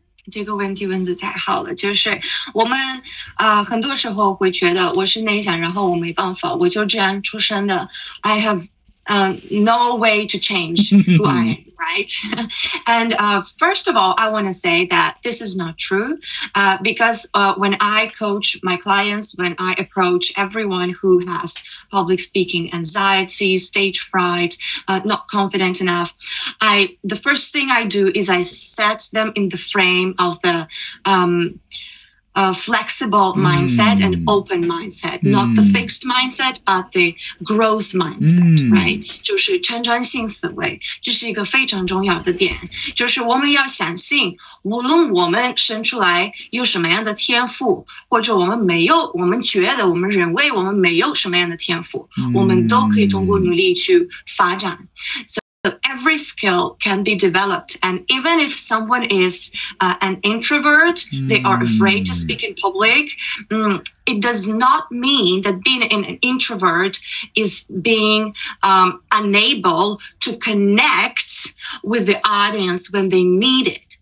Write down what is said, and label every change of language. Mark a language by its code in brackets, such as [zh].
[zh] 这个问题问得太好了，就是我们很多时候会觉得我是内向，然后我没办法，我就这样出生的。 [en] I have no way to change who I am, right? And first of all, I want to say that this is not true, because when I coach my clients, when I approach everyone who has public speaking anxiety, stage fright, not confident enough, the first thing I do is I set them in the frame of the a flexible mindset and open mindset, not the fixed mindset, but the growth mindset, right? [zh] 就是成长性思维，这是一个非常重要的点。就是我们要相信，无论我们生出来有什么样的天赋，或者我们没有，我们觉得我们认为我们没有什么样的天赋，我们都可以通过努力去发展。 [en] So every skill can be developed. And even if someone is an introvert, they are afraid to speak in public, it does not mean that being an introvert is being unable to connect with the audience when they need it.